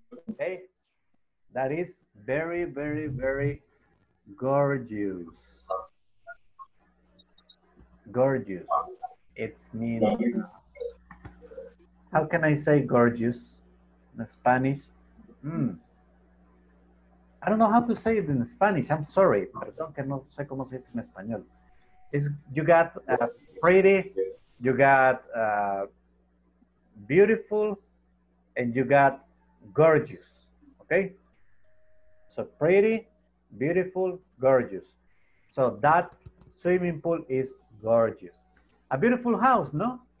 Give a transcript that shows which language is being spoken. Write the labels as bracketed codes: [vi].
[en] Okay, that is very, very, very gorgeous. Gorgeous, it means, how can I say gorgeous in Spanish? I don't know how to say it in Spanish. I'm sorry. [es] Perdón, que no sé cómo se dice en español. [en] It's, you got pretty, you got beautiful, and you got gorgeous. Okay? So pretty, beautiful, gorgeous. So that swimming pool is gorgeous. A beautiful house, no?